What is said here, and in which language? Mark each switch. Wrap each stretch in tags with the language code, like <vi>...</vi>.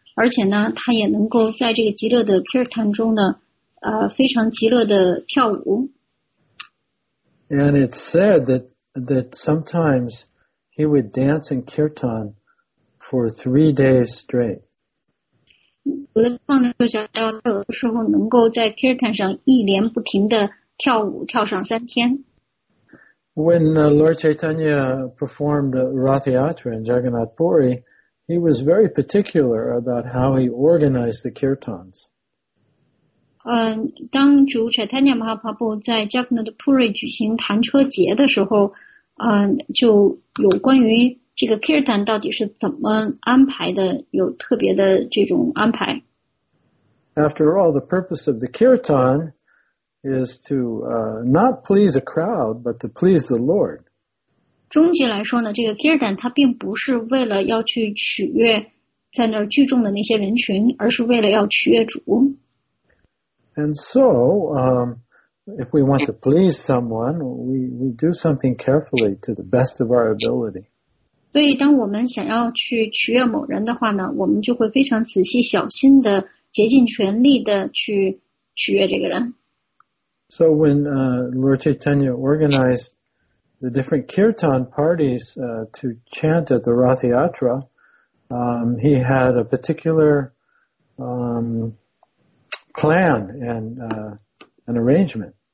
<zh>而且呢，他也能够在这个极乐的 kirtan 中呢，非常极乐的跳舞。</zh> <en>And it's said that sometimes he would dance in kirtan for 3 days straight.</en> <zh>我的放的就想到，有的时候能够在 kirtan 上一连不停的跳舞，跳上三天。</zh> <en>When Lord Chaitanya performed Ratha Yatra in Jagannath Puri. He was very particular about how he organized the kirtans.</en> <zh>当主 Chaitanya Mahaprabhu 在 Jagannath Puri 举行弹车节的时候，就有关于这个 kirtan 到底是怎么安排的，有特别的这种安排。</zh> <en>After all, the purpose of the kirtan is to not please a crowd, but to please the Lord.</en> <zh>终极来说呢，这个 kirtan 它并不是为了要去取悦在那儿聚众的那些人群，而是为了要取悦主。</zh> <en>And so, if we want to please someone, we do something carefully to the best of our ability.</en> <zh>所以，当我们想要去取悦某人的话呢，我们就会非常仔细、小心的、竭尽全力的去取悦这个人。</zh> <en>So when Lord Chaitanya organized. The different kirtan parties to chant at the Ratha Yatra, he had a particular plan and an arrangement.</en>